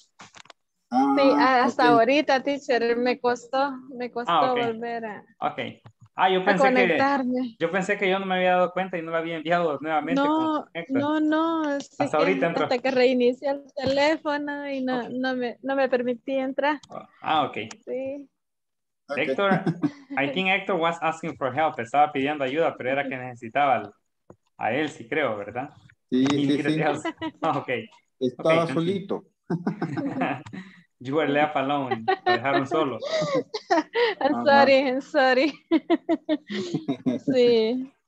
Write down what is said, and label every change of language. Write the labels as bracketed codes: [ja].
[es] Sí, hasta ahorita, teacher, me costó volver a... Ok. Ah, yo pensé que yo no me había dado cuenta y no lo había enviado nuevamente. No, sí, hasta ahorita entró. Hasta que reinicié el teléfono y no me permití entrar. Ah, ok. Sí. Okay. [en] Héctor, I think Héctor was asking for help. [es] Estaba pidiendo ayuda, pero era que necesitaba a él, sí creo, ¿verdad? Sí. Ah, ok. Estaba okay, solito. [en] You were left alone. [es] Me dejaron solo. [en] I'm sorry. Sí.